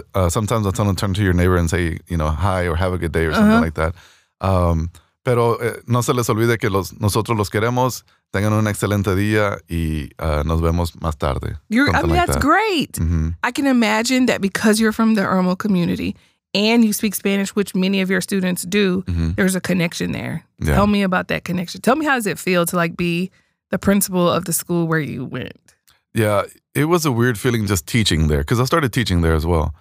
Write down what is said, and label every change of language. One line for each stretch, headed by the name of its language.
English: Sometimes I'll turn to your neighbor and say, you know, hi or have a good day or something like that.
Spanish: Pero no se les olvide que nosotros los queremos. Tengan un excelente día y nos vemos más tarde.
English: That's great. Mm-hmm. I can imagine that because you're from the Irmo community and you speak Spanish, which many of your students do, mm-hmm. there's a connection there. Yeah. Tell me about that connection. Tell me how does it feel to like be the principal of the school where you went? Yeah, it was a weird feeling just teaching there because I started teaching there as well.